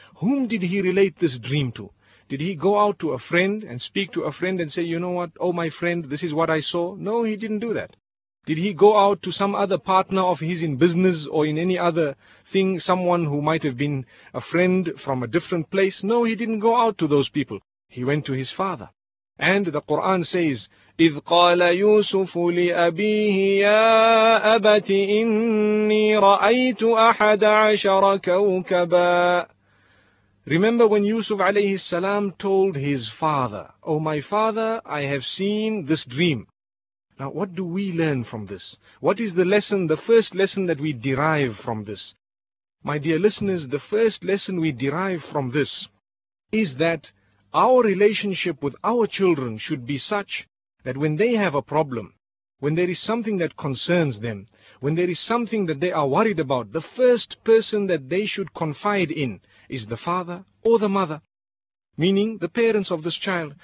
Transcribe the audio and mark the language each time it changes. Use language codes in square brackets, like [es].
[en] Whom did he relate this dream to? Did he go out to a friend and speak to a friend and say, you know what, oh my friend, this is what I saw? No, he didn't do that. Did he go out to some other partner of his in business or in any other thing, someone who might have been a friend from a different place? No, he didn't go out to those people. He went to his father. And the Quran says, [ar] إِذْ قَالَ يُوسُفُ لِأَبِيهِ يَا أَبَتِ إِنِّي رَأَيْتُ أَحَدَ عَشَرَ كَوْكَبًا. [en] Remember when Yusuf alayhi salam told his father, oh my father, I have seen this dream. Now what do we learn from this? What is the lesson, the first lesson that we derive from this? My dear listeners, the first lesson we derive from this is that our relationship with our children should be such that when they have a problem, when there is something that concerns them, when there is something that they are worried about, the first person that they should confide in is the father or the mother, meaning the parents of this child.